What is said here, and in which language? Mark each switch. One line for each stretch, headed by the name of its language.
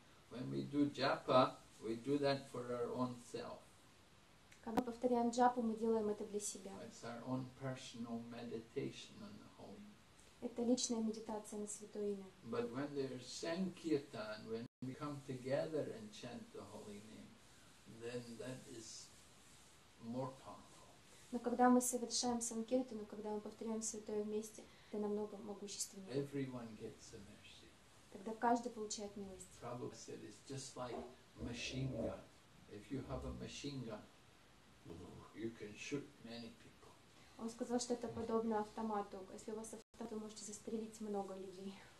English: When we do japa, we do that for our own self.
Russian: Когда повторяем джапу, мы делаем это для себя.
English: It's our own personal meditation on the holy.
Russian: Это личная медитация на святое имя.
English: But when there's sankirtan, when we come together and chant the holy name, then that is more powerful.
Russian: Но когда мы совершаем санкиртану, когда мы повторяем святое вместе, это намного могущественнее.
English: Everyone gets a mercy.
Russian: Тогда каждый получает милость.
English: Prabhupada said it's just like machine gun. If you have a machine gun, you can shoot many people.
Russian: Он сказал, что это подобно автомату. Если у вас автомат, вы можете застрелить много людей.